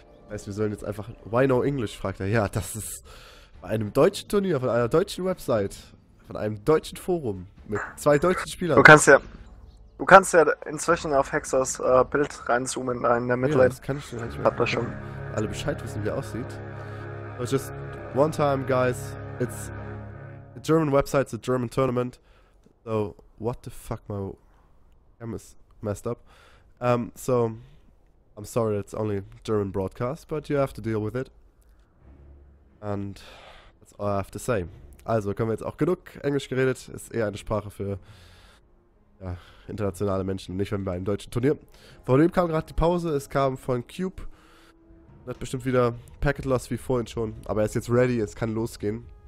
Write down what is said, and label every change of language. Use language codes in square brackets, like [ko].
[de] Heißt, wir sollen jetzt einfach, [en] why no English, [de] fragt er. Ja, das ist bei einem deutschen Turnier, von einer deutschen Website, von einem deutschen Forum mit zwei deutschen Spielern. Du kannst ja inzwischen auf Hexers Bild reinzoomen in der Midlane. Ja, das kann ich schon. Ich hab das schon. Alle Bescheid wissen, wie er aussieht. [en] But just one time, guys. It's a German website, it's a German tournament. So, what the fuck, my cam is messed up. So, I'm sorry, it's only German broadcast, but you have to deal with it. And that's all I have to say. [de] Also, können wir jetzt auch genug Englisch geredet. Ist eher eine Sprache für, ja, internationale Menschen, nicht wenn bei einem deutschen Turnier. Vor dem kam gerade die Pause, es kam von Cube. Hat bestimmt wieder Packet Loss wie vorhin schon, aber er ist jetzt ready, es kann losgehen.